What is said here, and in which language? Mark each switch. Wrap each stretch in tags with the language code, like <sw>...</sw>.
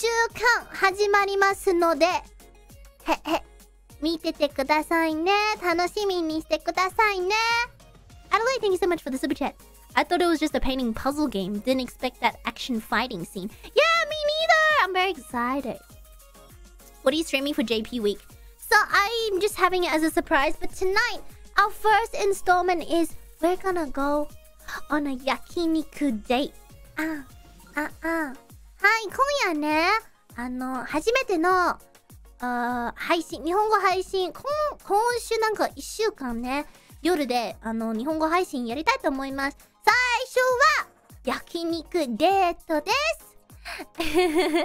<ja>週間始まりますので、へっへっ、見ててくださいね、楽しみにしてくださいね。</ja> <en>Adelaide, thank you so much for the super chat. I thought it was just a painting puzzle game. Didn't expect that action fighting scene. Yeah, me neither. I'm very excited. What are you streaming for JP week? So I'm just having it as a surprise, but tonight our first installment is we're gonna go on a yakiniku date.</en> <ja>はい、今夜ね、初めての、配信、日本語配信、今週なんか一週間ね、夜で、日本語配信やりたいと思います。最初は、焼肉デートです。</ja>